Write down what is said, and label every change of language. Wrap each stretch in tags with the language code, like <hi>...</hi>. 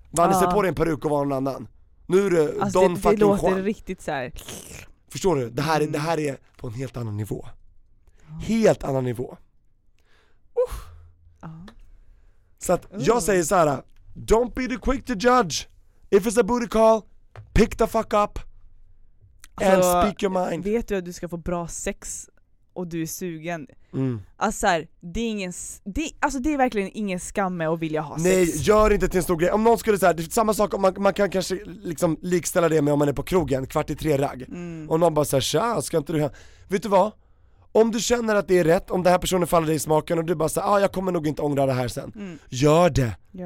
<sv>Vad ni ser på din peruk och var någon annan. Nu är det alltså, don det,</sv> <en>fucking</en> <sv>det låter Juan. Riktigt så här. Förstår du? Det här är på en helt annan nivå. Oh. Helt annan nivå. Så att jag säger så här,</sv> <en>don't be the quick to judge. If it's a booty call, pick the fuck up and</en> <sv>alltså,</sv> <en>speak your mind.</en> <sv>Vet du att du ska få bra sex och du är sugen? Mm. Alltså här, det är ingen, det är verkligen ingen skam med att vilja ha sex. Nej, gör inte till en stor grej. Om någon skulle säga samma sak, om man kan kanske liksom likställa det med om man är på krogen kvart i tre ragg. Mm. Och någon bara säger, "Tja, ska inte du här?" Vet du vad? Om du känner att det är rätt, om den här personen faller dig i smaken och du bara säger, jag kommer nog inte ångra det här sen. Mm. Gör det.</sv>